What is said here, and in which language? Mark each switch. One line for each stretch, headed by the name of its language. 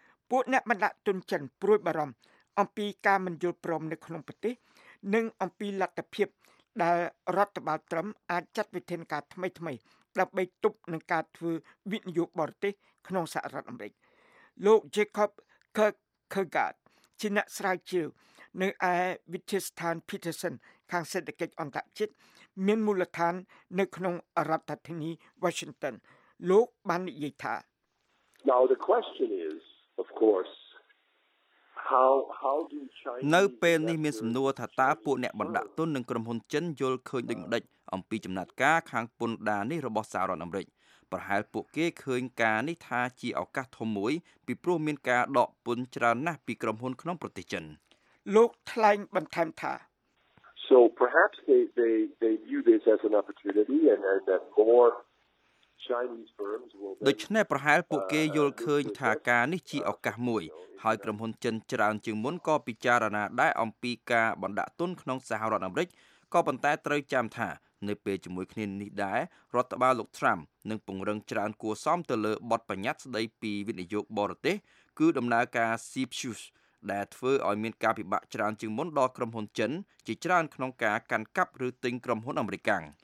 Khmer: ពួកអ្នកបណ្ដាទុនចិនព្រួយបារម្ភអំពីការមិនយល់ព្រមនៅក្នុងប្រទេសនិងអំពីលទ្ធភាពដែលរដ្ឋបាលត្រឹមអាចចាត់វិធានការថ្មីថ្មីដើម្បីទប់នឹងការធ្វើវិនិយោគបរទេសក្នុងសហរដ្ឋអាមេរិកលោក Jacob Kierkegaard ជាអ្នកស្រាវជ្រាវនៅឯវិទ្យាស្ថាន Peterson ខាងសេដ្ឋកិច្ចអន្តរជាតិមានមូលដ្ឋាននៅក្នុងរដ្ឋធានី Washington លោកបាននិយាយថា
English: Now the question is of courseHow do China
Khmer: នៅពេលនេះមានសំណួរថាតើពួកអ្នកបណ្ដាក់ទុននឹងក្រុមហ៊ុនចិនយល់ឃើញដូចម្ដេចអំពីចំណាត់ការខាងពុនដានេះរបស់សហរដ្ឋអាមេរិកប្រហែលពួកគេឃើញការនេះថាជាឱកាសធំមួយពីព្រោះមានការដកពុនច្រើនណាស់ពីក្រុមហ៊ុនក្នុងប្រទេសចិន លោកថ្លែងបន្ថែមថា
English: So perhaps they view this as an opportunity and that more Chinese firms will
Khmer: ដូច្នេះប្រហែលពួកគេយល់ឃើញថាការនេះជាឱកាសមួយហើយក្រុមហ៊ុនចិនច្រើនជាងមុនក៏ពិចារណាដែរអំពីការបណ្ដាក់ទុនក្នុងសហរដ្ឋអាមេរិកក៏ប៉ុន្តែត្រូវចាំថានៅពេលជាមួយគ្នានេះដែររដ្ឋបាលលោកត្រាំនឹងពង្រឹងច្រើនគួរសមទៅលើបទបញ្ញត្តិស្ដីពីវិនិយោគបរទេសគឺដំណើរការ CFIUS ដែលធ្វើឲ្យមានការពិបាកច្រើនជាងមុនដល់ក្រុមហ៊ុនចិនជាច្រើនក្នុងការកាន់កាប់ឬទិញក្រុមហ៊ុនអាមេរិកាំង